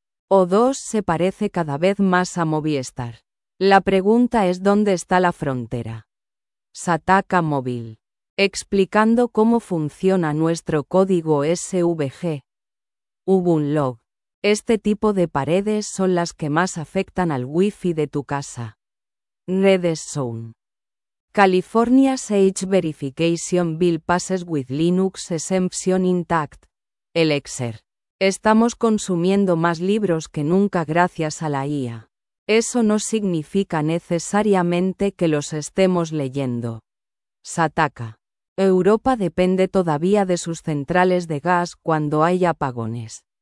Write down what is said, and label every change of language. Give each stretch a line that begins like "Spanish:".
Spanish: O2 se parece cada vez más a Movistar. La pregunta es ¿dónde está la frontera? Sataka móvil. Explicando cómo funciona nuestro código SVG. Ubunlog. Este tipo de paredes son las que más afectan al Wi-Fi de tu casa. Redes Zone.
English: California's Age Verification Bill passes with Linux exemption intact.
Spanish: Elixir. Estamos consumiendo más libros que nunca gracias a la IA. Eso no significa necesariamente que los estemos leyendo. Sataka. Europa depende todavía de sus centrales de gas cuando hay apagones.